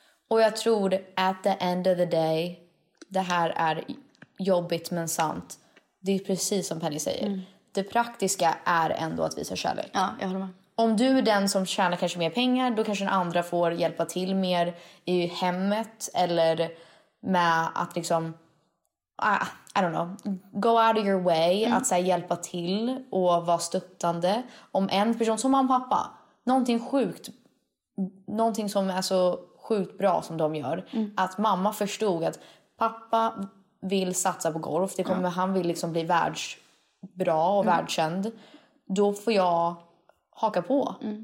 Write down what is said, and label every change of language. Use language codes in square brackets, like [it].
[sv] Och jag tror, [en] at the end of the day, [sv] det här är jobbigt men sant. Det är precis som Penny säger. Mm. Det praktiska är ändå att visa kärlek. Ja, jag håller med. Om du är den som tjänar kanske mer pengar, då kanske den andra får hjälpa till mer i hemmet. Eller med att liksom, [en] I don't know, go out of your way. Mm. [sv] Att så här, hjälpa till och vara stöttande. Om en person som mamma och pappa, någonting sjukt, någonting som är så sjukt bra som de gör. Mm. Att mamma förstod att pappa vill satsa på golf. Det kommer, han vill liksom bli världsbra och världskänd, då får jag haka på.